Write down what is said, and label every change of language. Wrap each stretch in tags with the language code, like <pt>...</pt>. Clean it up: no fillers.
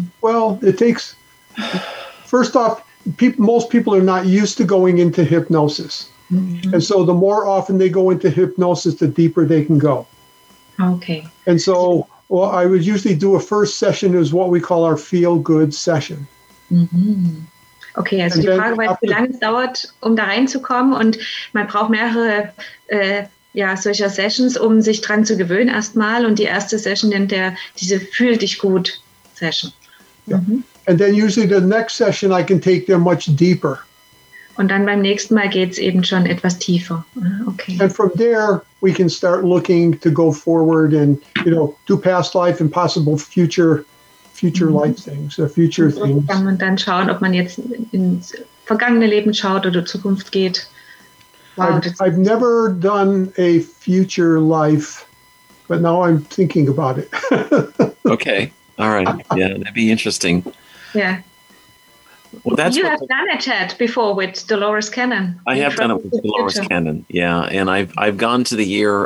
<en>Well, it takes, first off, most people are not used to going into hypnosis. Mm-hmm. And so the more often they go into hypnosis, the deeper they can go. Okay. And so I would usually do a first session is what we call our feel-good session.</en> <de>Mm-hmm. Okay, also and die Frage war, wie lange es dauert, um da reinzukommen. Und man braucht mehrere solcher Sessions, um sich dran zu gewöhnen erstmal. Und die erste Session nennt er diese Fühl-dich-gut. Session.</de> <en>Yeah. Mm-hmm. And then usually the next session I can take them much deeper.</en> <de>Und dann beim nächsten Mal geht's eben schon etwas tiefer.</de> <en>Okay. And from there we can start looking to go forward and, you know, do past life and possible future mm-hmm. life things, or future</en> <de>und</de> <en>things.</en> <de>Kann man dann schauen, ob man jetzt ins vergangene Leben schaut oder Zukunft geht.</de> <en>I've never done a future life, but now I'm thinking about it. Okay. All right. Yeah, that'd be interesting. Yeah. Well, that's done it, Ted, before with Dolores Cannon. I have done it with Dolores Cannon. Yeah, and I've gone to the year.</en>